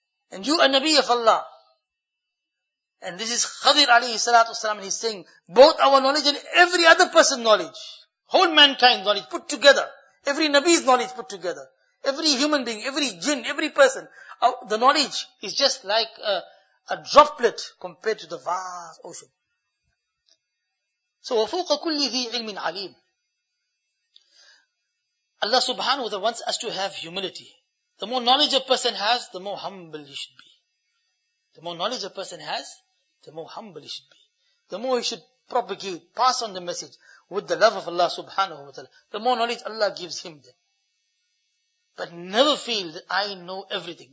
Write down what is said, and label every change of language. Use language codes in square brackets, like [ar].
[en] And you are Nabi of Allah. And this is Khadir alayhi salatu wasalam, and he's saying, both our knowledge and every other person's knowledge, whole mankind's knowledge put together, every Nabi's knowledge put together, every human being, every jinn, every person, the knowledge is just like a droplet compared to the vast ocean. [ar] So, وَفُوقَ كُلِّ ذِي عِلْمٍ عَلِيمٍ. [en] Allah subhanahu wa ta'ala wants us to have humility. The more knowledge a person has, the more humble he should be. The more knowledge a person has, the more humble he should be. The more he should propagate, pass on the message with the love of Allah subhanahu wa ta'ala. The more knowledge Allah gives him then. But never feel that I know everything.